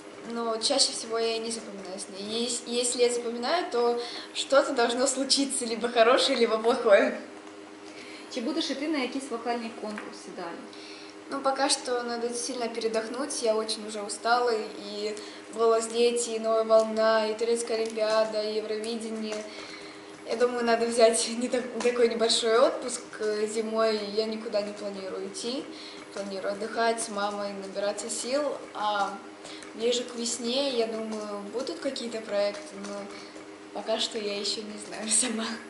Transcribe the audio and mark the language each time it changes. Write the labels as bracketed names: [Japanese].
[Russian] Но чаще всего я не запоминаю сны. Если я запоминаю, то что-то должно случиться, либо хорошее, либо плохое. [Ukrainian] Чи будешь и ты на якісь вокальні конкурси далі? [Russian] Ну, пока что надо сильно передохнуть, я очень уже устала, и «Голос дети», и «Новая волна», и «Турецкая олимпиада», и «Евровидение». Я думаю, надо взять такой небольшой отпуск зимой, я никуда не планирую идти, планирую отдыхать с мамой, набираться сил, а ближе к весне, я думаю, будут какие-то проекты, но пока что я еще не знаю сама.